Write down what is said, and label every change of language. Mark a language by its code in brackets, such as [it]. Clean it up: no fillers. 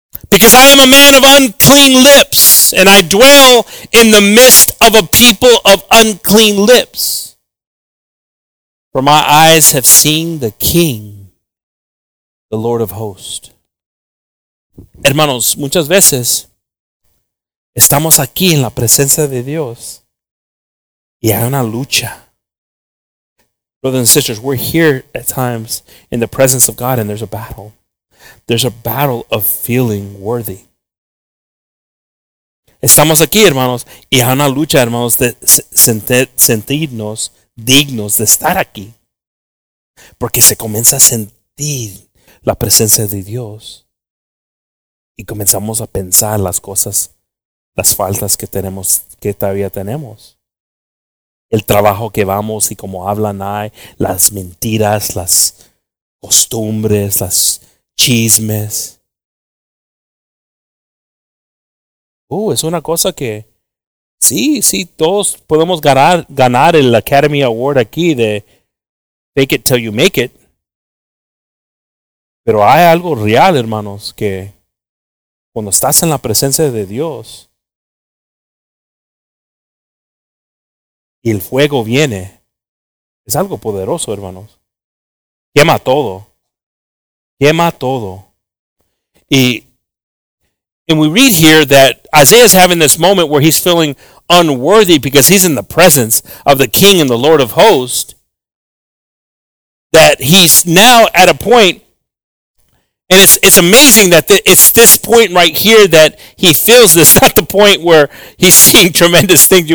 [en] Because I am a man of unclean lips, and I dwell in the midst of a people of unclean lips. For my eyes have seen the King, the Lord of hosts. [es] Hermanos, muchas veces estamos aquí en la presencia de Dios y hay una lucha. [en] Brothers and sisters, we're here at times in the presence of God and there's a battle. There's a battle of feeling worthy. [es] Estamos aquí, hermanos, y hay una lucha, hermanos, de sentirnos dignos de estar aquí. Porque se comienza a sentir la presencia de Dios y comenzamos a pensar las cosas, las faltas que tenemos, que todavía tenemos. El trabajo que vamos y cómo hablan ahí, las mentiras, las costumbres, las chismes. Es una cosa que sí, todos podemos ganar el Academy Award aquí de [en] Fake It Till You Make It. [es] Pero hay algo real, hermanos, que cuando estás en la presencia de Dios y el fuego viene, es algo poderoso, hermanos. Quema todo. Quema todo. [en] And we read here that Isaiah's having this moment where he's feeling unworthy because he's in the presence of the King and the Lord of hosts. That he's now at a point, and it's amazing that it's this point right here that he feels this, not the point where he's seeing tremendous things.